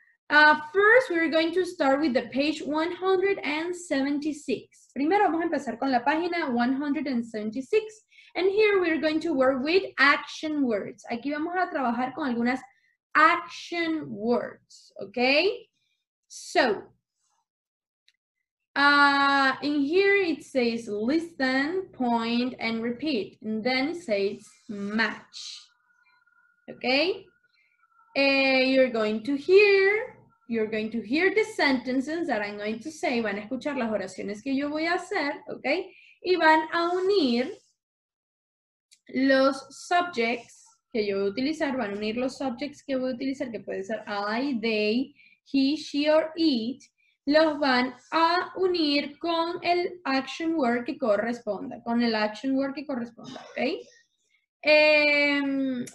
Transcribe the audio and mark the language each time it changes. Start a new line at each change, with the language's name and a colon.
English: First, we're going to start with the page 176.
Spanish: Primero vamos a empezar con la página 176.
English: And here we're going to work with action words.
Spanish: Aquí vamos a trabajar con algunas action words, okay?
English: So, in here it says listen, point, and repeat. And then it says match, okay? You're going to hear. You're going to hear the sentences that I'm going to say.
Spanish: Van a escuchar las oraciones que yo voy a hacer, ¿ok? Y van a unir los subjects que yo voy a utilizar. Van a unir los subjects que voy a utilizar, que puede ser I, they, he, she, or it. los van a unir con el action word que corresponda, con el action word que corresponda, ¿ok?